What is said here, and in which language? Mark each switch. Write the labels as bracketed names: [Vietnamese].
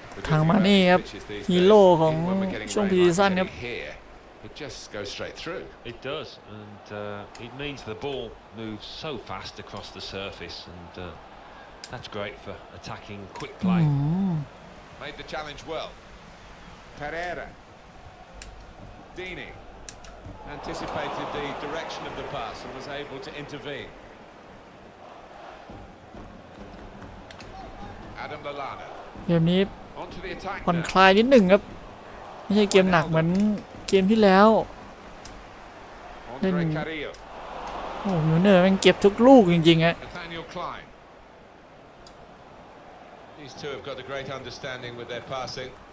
[Thai] ทางมานี่ครับฮีโร่ของช่วงพรีซีซั่นครับ [English] It just goes straight through. It does, and it means the ball moves so fast across the surface, and that's great for attacking quick play. Made the challenge well. Pereira, Dini. Anticipated the direction of the pass and was able to intervene. Adam Lallana. [Thai] เกมนี้ผ่อนคลายนิดหนึ่งครับไม่ใช่เกมหนักเหมือนเกมที่แล้วเล่นโอ้ยูเนอร์มันเก็บทุกลูกจริงๆฮะ [English] Nathaniel Klein. These two have got a great understanding with their passing.